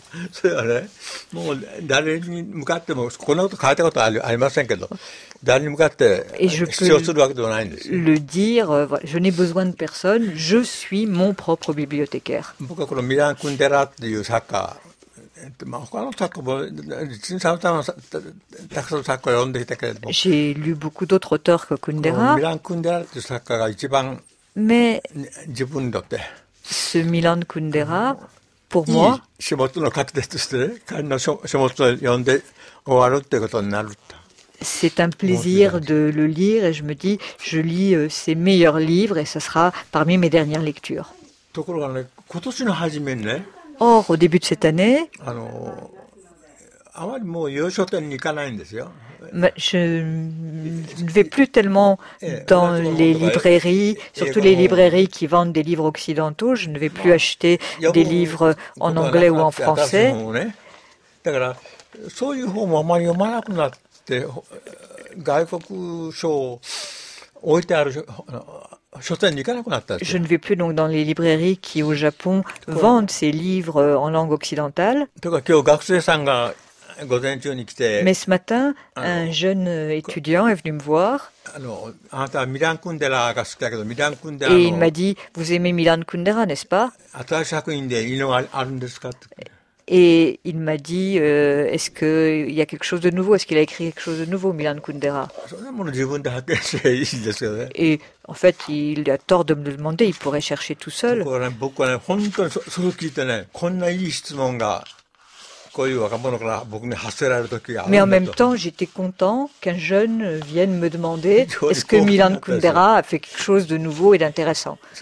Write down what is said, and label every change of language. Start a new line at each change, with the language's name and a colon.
Japanese: それはね、もう誰に向かっても、こんなこと書いたことはありませんけど、誰に向かって主張するわけではないんです。
French: Le dire, je n'ai besoin de personne, je suis mon propre bibliothécaire.
Japanese: 僕はこのミラン・クンデラっていう作家、まあ、他の作家も実にさまざまなたくさんの作家を読んでいたけれども、
French: j'ai lu beaucoup d'autres auteurs que Kundera.
Japanese: ミラン・クンデラっていう作家が一番、
French: Mais、
Japanese: 自分にとって、
French: ce Milan Kundera、pour moi、
Japanese: 書物の書き手として、彼の書物を読んで終わるっていうことになる。
French: C'est un plaisir de le lire et je me dis, je lis ses meilleurs livres et ce sera parmi mes dernières lectures.
Japanese: ところがね、今年の初めね。
French: Or, au début de cette année,
Japanese: あまりもう洋書店に行かないんですよ。
French: Je ne vais plus tellement dans les librairies, surtout les librairies qui vendent des livres occidentaux. Je ne vais plus acheter des livres en anglais ou en français.
Japanese: だから、そういう本もあまり読まなくなって、外国書を置いてある書店に行かなくなった。
French: Je ne vais plus donc dans les librairies qui au Japon vendent ces livres en langue occidentale.
Japanese: だから今日学生さんが午前中に来て、
French: Mais ce matin, un jeune étudiant est venu me voir.
Japanese: あなたはミラン・クンデラが好きだけど、ミラン・クンデラ。
French: Et il m'a dit, vous aimez Milan Kundera, n'est-ce pas?
Japanese: 新しい作品でいいのがあるんですか？って。
French: Et il m'a dit, est-ce que il y a quelque chose de nouveau? Est-ce qu'il a écrit quelque chose de nouveau, Milan Kundera?
Japanese: それも自分で発見していいですけどね。
French: Et en fait, il a tort de me le demander. Il pourrait chercher tout seul.
Japanese: 僕はね、本当にそれ聞いてね、こんないい質問が。
French: Mais en même temps, j'étais content qu'un jeune vienne me demander est-ce que Milan Kundera a fait quelque chose de nouveau et d'intéressant.